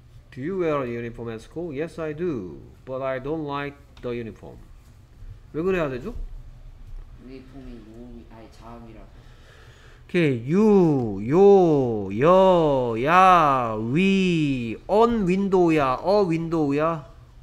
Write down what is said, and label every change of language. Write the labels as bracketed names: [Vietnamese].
[English] Do you wear a uniform at school? Yes, I do, but I don't like the uniform. [Korean] 왜 그래야 되죠? 유니폼이 모음이 아니 자음이라고. 오케이. you, yo, yo, ya, we, on window야, a window야?